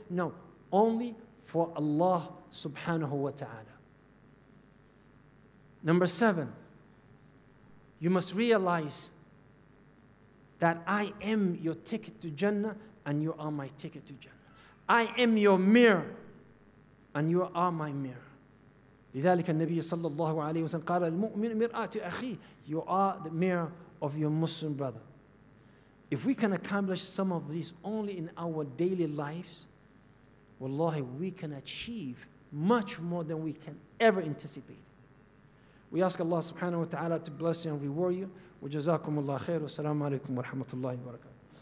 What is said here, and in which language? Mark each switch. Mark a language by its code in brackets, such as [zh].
[en] No, only for Allah subhanahu wa ta'ala. Number seven, you must realize that I am your ticket to Jannah and you are my ticket to Jannah. I am your mirror and you are my mirror. [ar] لذلك النبي صلى الله عليه وسلم قال المؤمن مرآة أخيه. [en] You are the mirror of your Muslim brother. If we can accomplish some of these only in our daily lives, wallahi, we can achieve much more than we can ever anticipate. We ask Allah subhanahu wa ta'ala to bless you and reward you. [ar] وجزاكم الله خير والسلام عليكم ورحمة الله وبركاته.